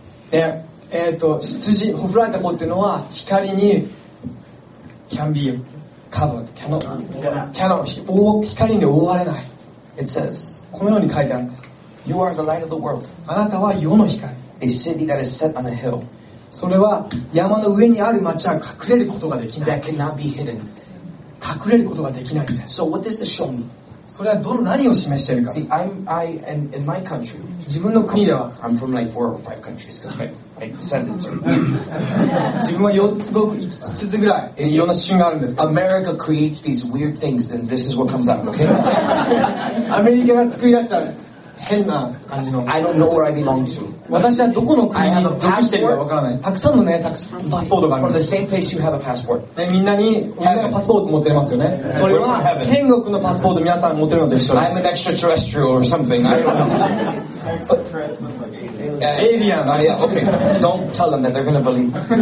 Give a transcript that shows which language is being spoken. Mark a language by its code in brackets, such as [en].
[ja] で、羊、ほふられた子っていうのは光に [en] can be covered, cannot, [ja] 光に覆われない。 [en] It says, [ja] このように書いてあるんです。 [en] You are the light of the world. [ja] あなたは世の光。 [en] A city that is set on a hill. [ja] それは山の上にある町は隠れることができない。 [en] That cannot be hidden. [ja] 隠れることができない。 [en] So what does this show me? [ja] それはどの何を示しているか。 [en] See, in my country, [ja] 自分の国では、 [en] I'm from like four or five countries, because my descendants are. [ja] 自分は四つごく五つぐらい、いろんな種があるんですけど。 [en] America creates these weird things, and this is what comes out. Okay. [ja] アメリカが作り出した変な感じの。 [en] I don't know where I belong to. [ja] 私はどこの国に属しているかわからない。たくさんのね、たくさんのパスポートがある。 [en] From the same place you have a passport. [ja] みんなに、みんながパスポート持ってますよね。それは天国のパスポート皆さん持ってるのと一緒です。 [en] I'm an extraterrestrial or something. I don't know. Alien. Oh yeah. Okay. Don't tell them that they're gonna believe.